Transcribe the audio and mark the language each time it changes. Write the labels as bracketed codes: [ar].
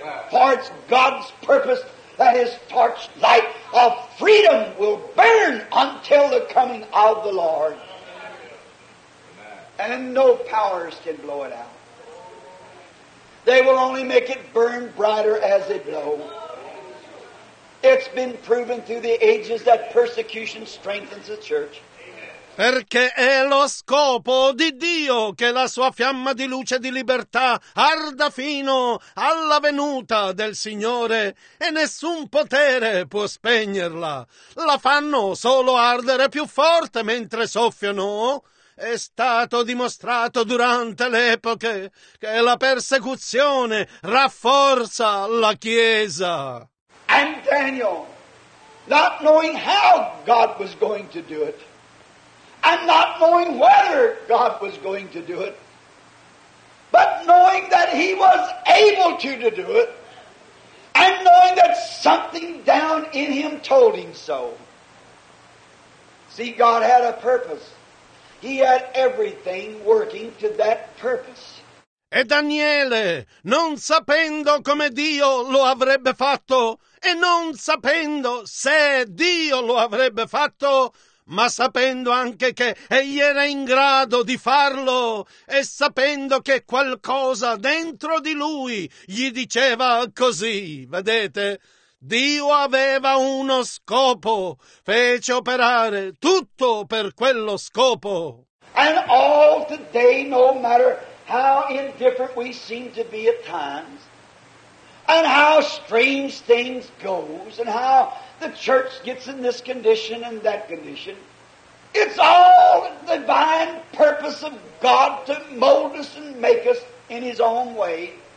[en] For it's God's purpose that his torch light of freedom will burn until the coming of the Lord. Amen. And no powers can blow it out. They will only make it burn brighter as they blow. It's been proven through the ages that persecution strengthens the church. [it] Perché è lo scopo di Dio che la sua fiamma di luce e di libertà arda fino alla venuta del Signore e nessun potere può spegnerla. La fanno solo ardere più forte mentre soffiano. È stato dimostrato durante le epoche che la persecuzione rafforza la Chiesa. [en] And Daniel, not knowing how God was going to do it, and not knowing whether God was going to do it, but knowing that he was able to do it, and knowing that something down in him told him so. See, God had a purpose. He had everything working to that purpose. [it] E Daniele, non sapendo come Dio lo avrebbe fatto, e non sapendo se Dio lo avrebbe fatto, ma sapendo anche che egli era in grado di farlo, e sapendo che qualcosa dentro di lui gli diceva così, vedete? Dio aveva uno scopo, fece operare tutto per quello scopo. [en] And all today, no matter how indifferent we seem to be at times, and how strange things goes, and how the church gets in this condition and that condition, it's all the divine purpose of God to mold us and make us in His own way.